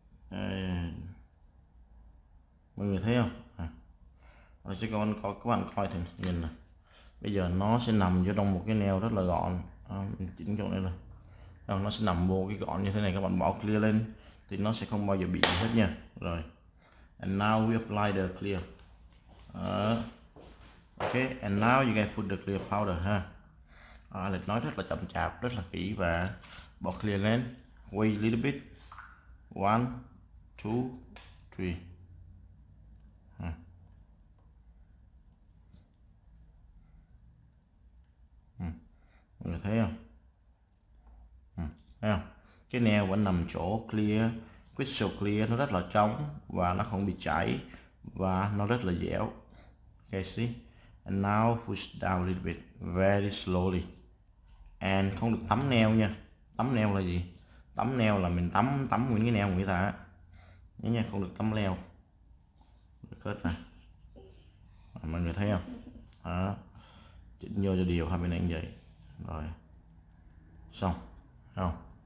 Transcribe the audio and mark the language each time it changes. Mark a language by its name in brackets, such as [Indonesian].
[Vietnamese] Ê, mọi người thấy không? À, rồi sẽ có các bạn coi thử nhìn này, bây giờ nó sẽ nằm vô trong một cái nail rất là gọn. À, mình chỉnh chỗ này rồi. Rồi nó sẽ nằm vô cái gọn như thế này, các bạn bỏ clear lên thì nó sẽ không bao giờ bị hết nha. [English] Rồi and now we apply the clear. Ok, and now you can put the clear powder ha. [Vietnamese] À, lịch nói rất là chậm chạp, rất là kỹ và bỏ clear lên. [English] Wait a little bit. 1, 2, 3. [Vietnamese] Mọi người thấy không? Thấy không? Cái nail vẫn nằm chỗ clear, crystal clear, nó rất là trong và nó không bị chảy và nó rất là dẻo. [English] Ok, see? And now push down a little bit, very slowly. [Vietnamese] And không được tắm nail nha. Tắm nail là gì? Tắm nail là mình tắm những cái nail của người ta. Nhớ nha, không được tắm nail. Được hết nè. Mọi người thấy không? Đó. Chỉnh vô cho điều hai bên này như vậy. Rồi. Xong. Thấy không?